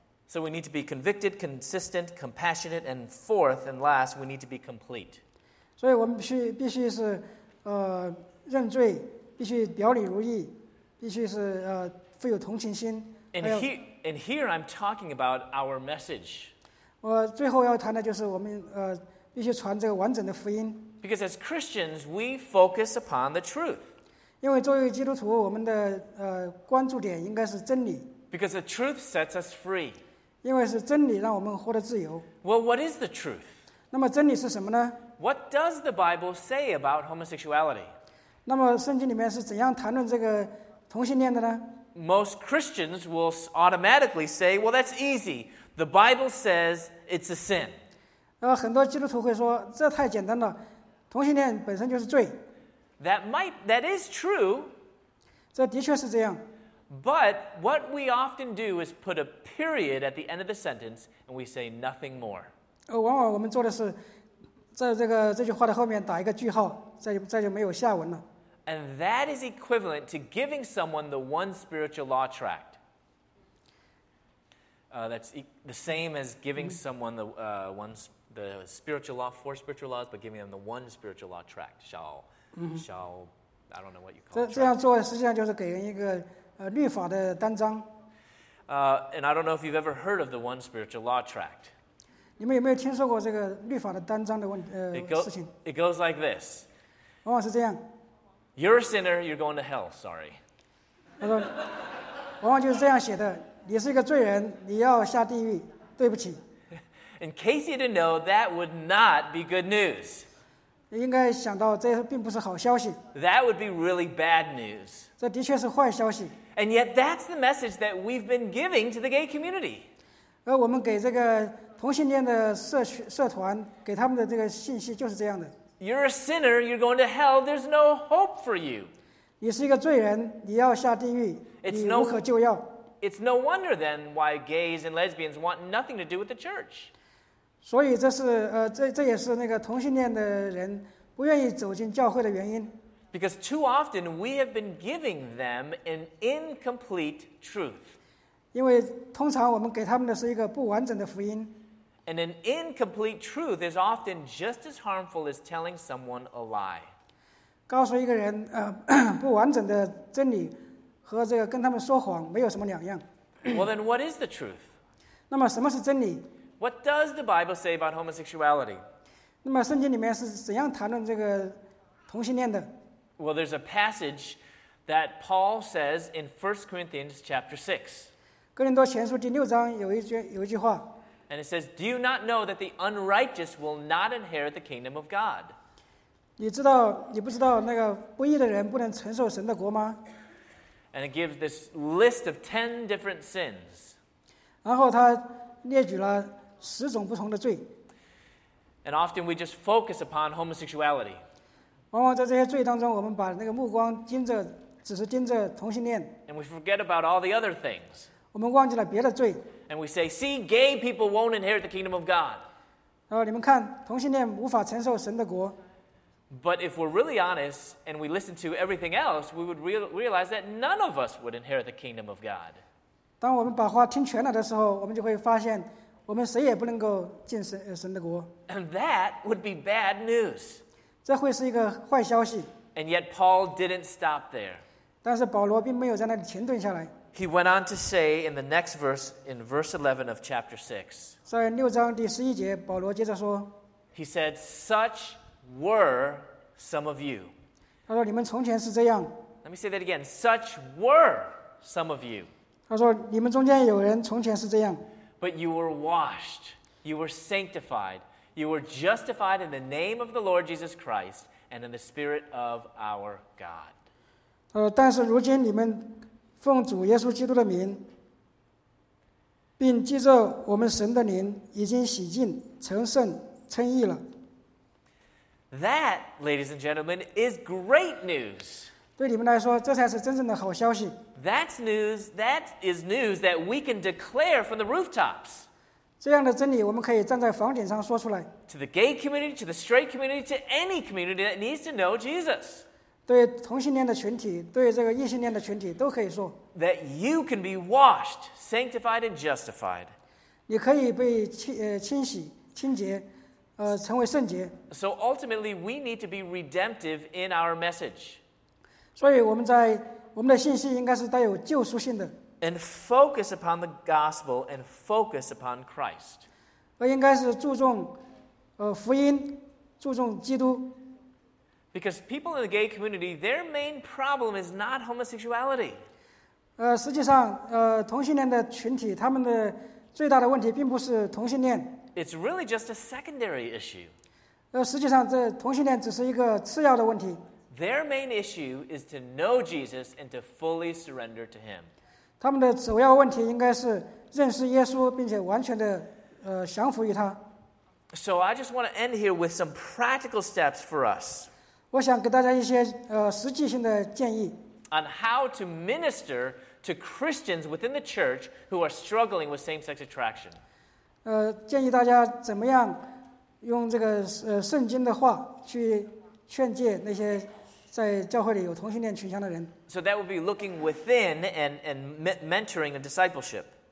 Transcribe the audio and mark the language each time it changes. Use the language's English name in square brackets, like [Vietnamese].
[English] So we need to be convicted, consistent, compassionate, and fourth and last, we need to be complete. [Chinese] 所以我们必须是认罪，必须表里如一，必须是富有同情心。 [English] And here I'm talking about our message. [Chinese] 我最后要谈的就是我们必须传这个完整的福音。 [English] Because as Christians, we focus upon the truth. [Chinese] 因为作为基督徒，我们的关注点应该是真理。 [English] Because the truth sets us free. [Chinese] 因为是真理让我们获得自由。 [English] Well, what is the truth? [Chinese] 那么真理是什么呢？ [English] What does the Bible say about homosexuality? [Chinese] 那么圣经里面是怎样谈论这个同性恋的呢？ [English] Most Christians will automatically say, well, that's easy. The Bible says it's a sin. [Chinese] 很多基督徒会说这太简单了，同性恋本身就是罪。 [English] That is true. [Chinese] 这的确是这样。 [English] But what we often do is put a period at the end of the sentence and we say nothing more. [Chinese] 往往我们做的是在这句话的后面打一个句号，再就没有下文了。 [English] And that is equivalent to giving someone the one spiritual law tract. That's the same as giving someone the spiritual law, four spiritual laws, but giving them the one spiritual law tract. Shall, I don't know what you call it. [Chinese] 这样做实际上就是给人一个律法的单章。 [English] And I don't know if you've ever heard of the one spiritual law tract. [Chinese] 你们有没有听说过这个律法的单章的事情？ [English] It goes like this. [Chinese] 往往是这样。 [English] You're a sinner, you're going to hell, sorry. [Chinese] 他说，往往就是这样写的，你是一个罪人，你要下地狱，对不起。 [English] In case you didn't know, that would not be good news. [Chinese] 你应该想到这并不是好消息。 [English] That would be really bad news. [Chinese] 这的确是坏消息。 [English] And yet that's the message that we've been giving to the gay community. [Chinese] 而我们给这个同性恋的社团给他们的这个信息就是这样的。 [English] You're a sinner, you're going to hell, there's no hope for you. [Chinese] 你是一个罪人，你要下地狱，你无可救药。 [English] It's no wonder then why gays and lesbians want nothing to do with the church. [Chinese] 所以这也是那个同性恋的人不愿意走进教会的原因。 [English] Because too often we have been giving them an incomplete truth. [Chinese] 因为通常我们给他们的是一个不完整的福音。 [English] And an incomplete truth is often just as harmful as telling someone a lie. [Chinese] 告诉一个人不完整的真理和这个跟他们说谎没有什么两样。 [English] Well then, what is the truth? [Chinese] 那么什么是真理？ [English] What does the Bible say about homosexuality? [Chinese] 那么圣经里面是怎样谈论这个同性恋的？ [English] Well, there's a passage that Paul says in 1 Corinthians chapter 6. [Chinese] 哥林多前书第六章有一句话。 [English] And it says, Do you not know that the unrighteous will not inherit the kingdom of God? [Chinese] 你不知道那个不义的人不能承受神的国吗？ [English] And it gives this list of 10 different sins. [Chinese] 然后他列举了十种不同的罪。 [English] And often we just focus upon homosexuality. [Chinese] 往往在这些罪当中我们把那个目光只是盯着同性恋。 [English] And we forget about all the other things. [Chinese] 我们忘记了别的罪。 [English] And we say, see, gay people won't inherit the kingdom of God. [Chinese] 你们看，同性恋无法承受神的国。 [English] But if we're really honest and we listen to everything else, we would realize that none of us would inherit the kingdom of God. [Chinese] 当我们把话听全了的时候，我们就会发现，我们谁也不能够进神的国。 [English] And that would be bad news. [Chinese] 这会是一个坏消息。 [English] And yet Paul didn't stop there. [Chinese] 但是保罗并没有在那里停顿下来。 [English] He went on to say in the next verse, in verse 11 of chapter 6, [Chinese] 在六章第十一节，保罗接着说， [English] He said, such were some of you. [Chinese] 他说你们从前是这样。 [English] Let me say that again, such were some of you. [Chinese] 他说你们中间有人从前是这样。 [English] But you were washed, you were sanctified, you were justified in the name of the Lord Jesus Christ and in the Spirit of our God. [Chinese] 但是如今你们奉主耶稣基督的名，并借着我们神的灵，已经洗净、成圣、称义了。 [English] That, ladies and gentlemen, is great news. [Chinese] 对你们来说，这才是真正的好消息。 [English] That's news. That is news that we can declare from the rooftops. [Chinese] 这样的真理，我们可以站在房顶上说出来。 [English] To the gay community, to the straight community, to any community that needs to know Jesus. [Chinese] 对同性恋的群体，对这个异性恋的群体都可以说。 [English] That you can be washed, sanctified, and justified. [Chinese] 你可以被 清洁成为圣洁。 [English] So ultimately we need to be redemptive in our message. [Chinese] 所以我们在我们的信息应该是带有救赎性的。 [English] And focus upon the gospel and focus upon Christ. [Chinese] 而应该是注重福音，注重基督。 [English] Because people in the gay community, their main problem is not homosexuality. [Chinese] 实际上同性恋的群体他们的最大的问题并不是同性恋。 [English] It's really just a secondary issue. [Chinese] 实际上这同性恋只是一个次要的问题。 [English] Their main issue is to know Jesus and to fully surrender to him. [Chinese] 他们的首要问题应该是认识耶稣并且完全的降服于他。 [English] So I just want to end here with some practical steps for us. [Chinese] 我想给大家一些实际性的建议。 [English] On how to minister to Christians within the church who are struggling with same-sex attraction. [Chinese] 建议大家怎么样用这个圣经的话去劝诫那些在教会里有同性恋倾向的人。 [English] So that would be looking within and mentoring a discipleship.